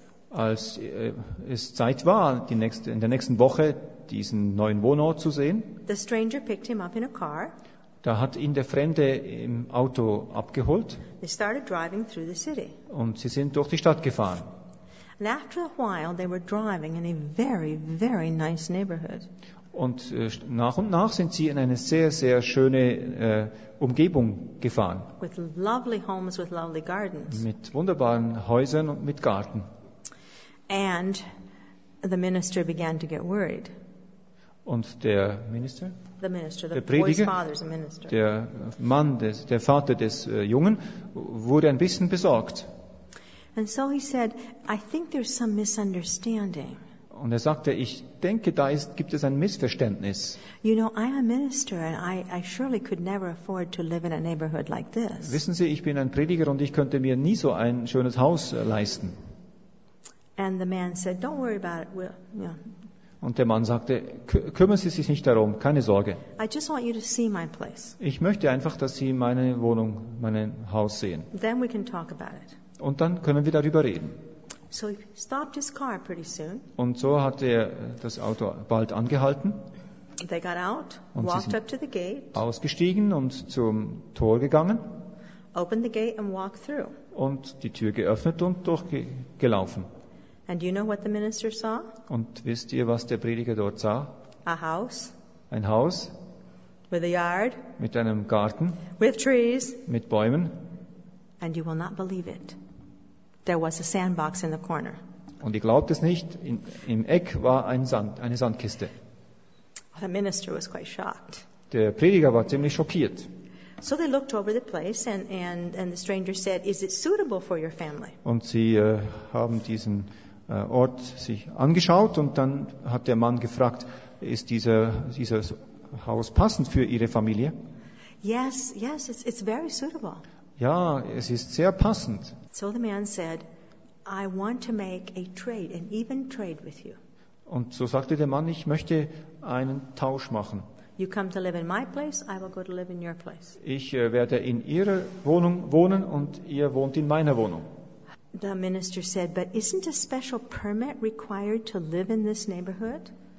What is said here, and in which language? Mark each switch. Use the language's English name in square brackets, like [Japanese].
[German] Als es Zeit war, in der nächsten Woche diesen neuen Wohnort zu sehen, [English] the stranger picked him up in a car. [German] Da hat ihn der Fremde im Auto abgeholt. [English] They started driving through the city. [German] Und sie sind durch die Stadt gefahren. [English] And after a while they were driving in a very, very nice neighborhood. [German] Und nach und nach sind sie in eine sehr, sehr schöne Umgebung gefahren. [English] With lovely homes, with lovely gardens. [German] Mit wunderbaren Häusern und mit Garten. [English] And the minister began to get worried. [German] Und der Minister? Der Prediger, der Mann, der Vater des Jungen, wurde ein bisschen besorgt. [English] And so he said, I think there's some misunderstanding. [German] Und er sagte, ich denke, gibt es ein Missverständnis. [English] You know, I'm a minister and I surely could never afford to live in a neighborhood like this. [German] Wissen Sie, ich bin ein Prediger und ich könnte mir nie so ein schönes Haus leisten. [English] And the man said, don't worry about it. We'll, you know. [German] Und der Mann sagte, kümmern Sie sich nicht darum, keine Sorge. [English] I just want you to see my place. [German] Ich möchte einfach, dass Sie meine Wohnung, mein Haus sehen. [English] Then we can talk about it. [German] Und dann können wir darüber reden. [English] So he stopped his car pretty soon. [German] Und so hat er das Auto bald angehalten. [English] They got out, [German] und [English] walked [German] sie sind [English] up to the gate, [German] ausgestiegen und zum Tor gegangen. [English] Opened the gate and walked through. [German] Und die Tür geöffnet und durchgelaufen. [English] And do you know what the minister saw? [German] Und wisst ihr, was der Prediger dort sah? [English] A house. [German] Ein Haus. [English] With a yard. [German] Mit einem Garten. [English] With trees. [German] Mit Bäumen. [English] And you will not believe it. There was a sandbox in the corner. [German] Und ihr glaubt es nicht, im Eck war eine Sandkiste. [English] The minister was quite shocked. [German] Der Prediger war ziemlich schockiert. [English] So they looked over the place and the stranger said, is it suitable for your family? [German] Und sie haben diesen Ort sich angeschaut und dann hat der Mann gefragt, ist dieses Haus passend für ihre Familie? [English] Yes, yes, it's very suitable. [German] Ja, es ist sehr passend. [English] So the man said, I want to make a trade, an even trade with you. [German] Und so sagte der Mann, ich möchte einen Tausch machen. [English] You come to live in my place, I will go to live in your place. [German] Ich werde in Ihrer Wohnung wohnen und ihr wohnt in meiner Wohnung. [English] The minister said, but isn't a special permit required to live in this neighborhood?